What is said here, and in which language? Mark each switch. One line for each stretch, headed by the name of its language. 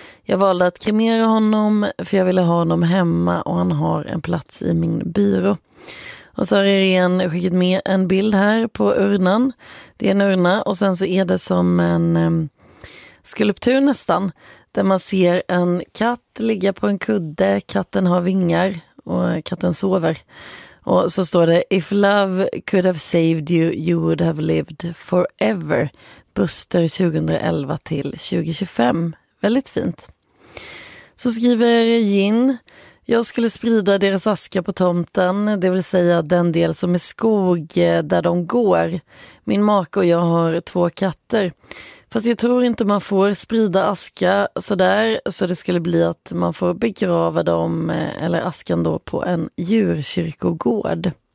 Swedish: Jag valde att kremera honom för jag ville ha honom hemma och han har en plats i min byrå. Och så har Irene skickat med en bild här på urnan. Det är en urna och sen så är det som en skulptur nästan. Där man ser en katt ligga på en kudde, katten har vingar och katten sover. Och så står det:
English: if love could have saved you, you would have lived forever.
Swedish: Buster 2011 till 2025. Väldigt fint. Så skriver Jin: jag skulle sprida deras aska på tomten, det vill säga den del som är skog där de går. Min make och jag har två katter. Fast jag tror inte man får sprida aska sådär, så det skulle bli att man får begrava dem, eller askan då, på en djurkyrkogård.